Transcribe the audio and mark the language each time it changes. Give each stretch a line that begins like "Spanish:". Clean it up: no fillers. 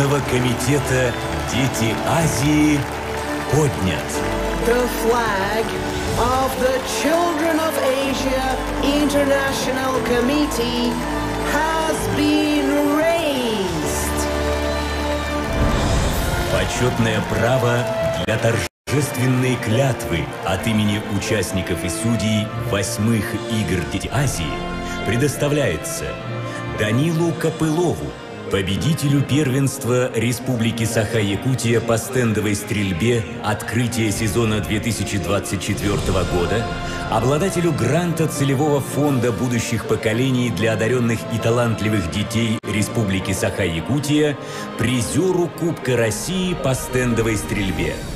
Russian: Комитета «Дети Азии» поднят.
English: The flag of the Children of Asia International Committee has been raised.
Russian: Почетное право для торжественной клятвы от имени участников и судей восьмых игр «Дети Азии» предоставляется Данилу Копылову, победителю первенства Республики Саха-Якутия по стендовой стрельбе открытия сезона 2024 года, обладателю гранта Целевого фонда будущих поколений для одаренных и талантливых детей Республики Саха-Якутия, призеру Кубка России по стендовой стрельбе,